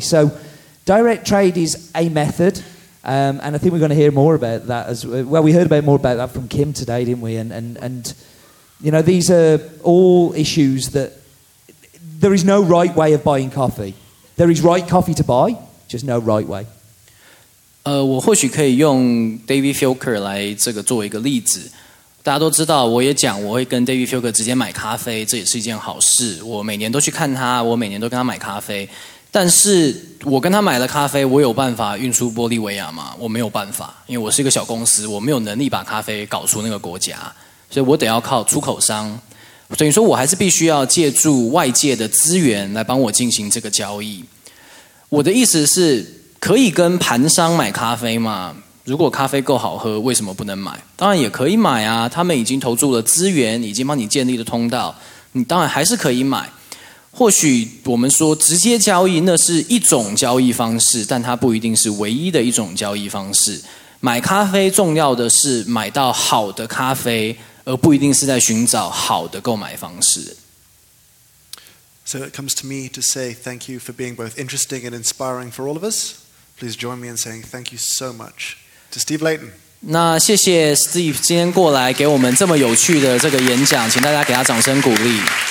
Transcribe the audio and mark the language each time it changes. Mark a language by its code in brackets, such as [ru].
[en] So direct trade is a method, and I think we're going to hear more about that as well. We heard about more about that from Kim today, didn't we? And you know, these are all issues that there is no right way of buying coffee. There is right coffee to buy, just no right way. [zh] 我或许可以用 David Filker 来做一个例子。大家都知道，我也讲我会跟 David Filker 直接买咖啡，这也是一件好事。我每年都去看他，我每年都跟他买咖啡。但是我跟他买了咖啡，我有办法运出玻利维亚吗？我没有办法，因为我是一个小公司，我没有能力把咖啡搞出那个国家，所以我得要靠出口商。等于说我还是必须要借助外界的资源来帮我进行这个交易。我的意思是，可以跟盘商买咖啡吗？如果咖啡够好喝，为什么不能买？当然也可以买啊，他们已经投注了资源，已经帮你建立了通道，你当然还是可以买。或许我们说直接交易那是一种交易方式，但它不一定是唯一的一种交易方式。买咖啡重要的是买到好的咖啡，而不一定是在寻找好的购买方式。 [en] So it comes to me to say thank you for being both interesting and inspiring for all of us. Please join me in saying thank you so much to Steve Layton. [zh] 那谢谢 Steve 今天过来给我们这么有趣的这个演讲，请大家给他掌声鼓励。